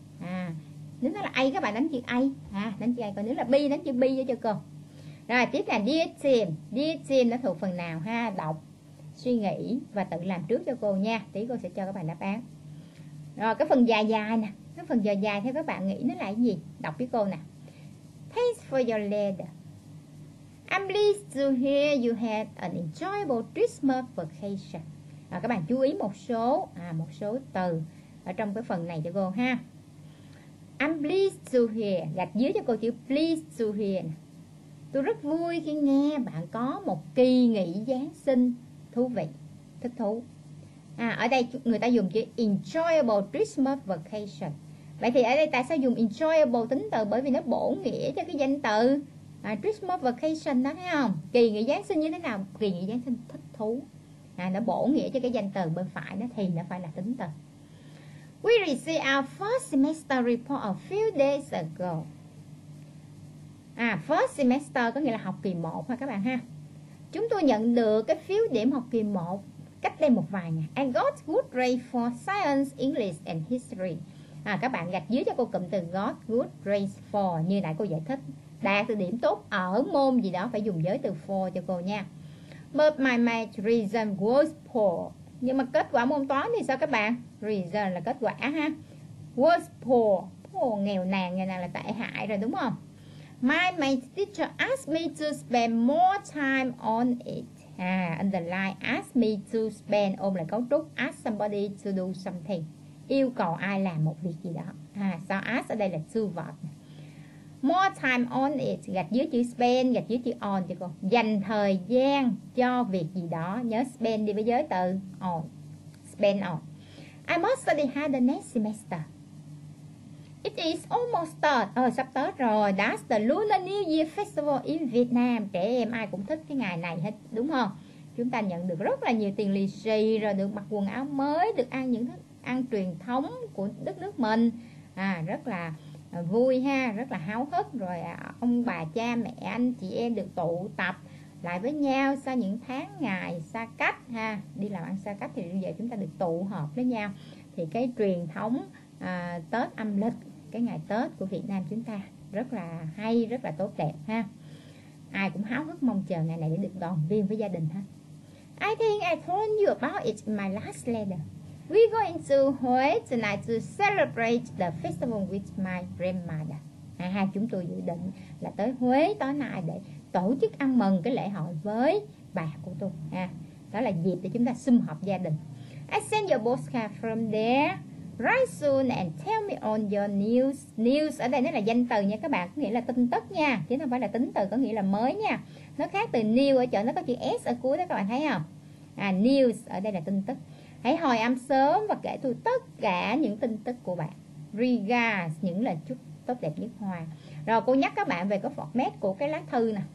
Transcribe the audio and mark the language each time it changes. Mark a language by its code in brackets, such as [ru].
[vi] À, nếu nó là A các bạn đánh chữ A, à, đánh chữ A. Còn nếu là B đánh chữ B cho cô. Rồi tiếp là Dear Team. Dear Team nó thuộc phần nào ha? Đọc, suy nghĩ và tự làm trước cho cô nha. Tí cô sẽ cho các bạn đáp án. Rồi cái phần dài dài nè. Cái phần dài dài theo các bạn nghĩ nó là cái gì? Đọc với cô nè. [en] Thanks for your letter. I'm pleased to hear you had an enjoyable Christmas vacation. [vi] Rồi các bạn chú ý một số từ ở trong cái phần này cho cô ha. [en] I'm pleased to hear, [vi] gạch dưới cho cô chữ [en] pleased to hear. [vi] Tôi rất vui khi nghe bạn có một kỳ nghỉ Giáng sinh thú vị, thích thú. À, ở đây người ta dùng chữ [en] enjoyable Christmas vacation. [vi] Vậy thì ở đây tại sao dùng enjoyable tính từ? Bởi vì nó bổ nghĩa cho cái danh từ Christmas vacation đó, thấy không? Kỳ nghỉ Giáng sinh như thế nào? Kỳ nghỉ Giáng sinh thích thú. À, nó bổ nghĩa cho cái danh từ bên phải đó thì nó phải là tính từ. [en] We received our first semester report a few days ago. [vi] À, first semester có nghĩa là học kỳ 1 ha các bạn ha. Chúng tôi nhận được cái phiếu điểm học kỳ 1 cách đây một vài ngày. [en] And got good grade for science, English and history. [vi] À, các bạn gạch dưới cho cô cụm từ [en] got good grade for [vi] như nãy cô giải thích. Đạt được điểm tốt ở môn gì đó phải dùng giới từ for cho cô nha. [en] But my math result was poor. [vi] Nhưng mà kết quả môn toán thì sao các bạn? Result là kết quả ha. [en] Was poor. [vi] Poor, nghèo nàn là tệ hại rồi đúng không? [en] My math teacher asked me to spend more time on it. À, underline asked me to spend, [vi] ôm lại cấu trúc [en] ask somebody to do something. [vi] Yêu cầu ai làm một việc gì đó. À, sao ask ở đây là to verb. [en] More time on it, [vi] gạch dưới chữ spend, gạch dưới chữ on cho cô. Dành thời gian cho việc gì đó, nhớ spend đi với giới từ on. [en] Spend on. I must study harder next semester. It is almost start. [vi] Sắp tới rồi. [en] That's the Lunar New Year Festival in Vietnam. [vi] Trẻ em ai cũng thích cái ngày này hết, đúng không? Chúng ta nhận được rất là nhiều tiền lì xì, rồi được mặc quần áo mới, được ăn những thức ăn truyền thống của đất nước mình. À, rất là vui ha, rất là háo hức. Rồi ông bà cha mẹ anh chị em được tụ tập lại với nhau sau những tháng ngày xa cách ha. Đi làm ăn xa cách thì bây giờ chúng ta được tụ họp với nhau. Thì cái truyền thống Tết âm lịch, cái ngày Tết của Việt Nam chúng ta rất là hay, rất là tốt đẹp ha. Ai cũng háo hức mong chờ ngày này để được đoàn viên với gia đình ha. [en] I think I told you about it in my last letter. We going to Huế tonight to celebrate the festival with my grandmother. [vi] Hai chúng tôi dự định là tới Huế tối nay để tổ chức ăn mừng cái lễ hội với bà của tôi. À, đó là dịp để chúng ta sum họp gia đình. [en] I send your postcard from there. Write soon and tell me on your news. [vi] News ở đây nó là danh từ nha các bạn, có nghĩa là tin tức nha, chứ không phải là tính từ có nghĩa là mới nha. Nó khác từ new ở chỗ nó có chữ s ở cuối đó, các bạn thấy không? À, news ở đây là tin tức. Hãy hồi âm sớm và kể tôi tất cả những tin tức của bạn. Regards, những lời chúc tốt đẹp nhất hoa. Rồi cô nhắc các bạn về cái format của cái lá thư nè.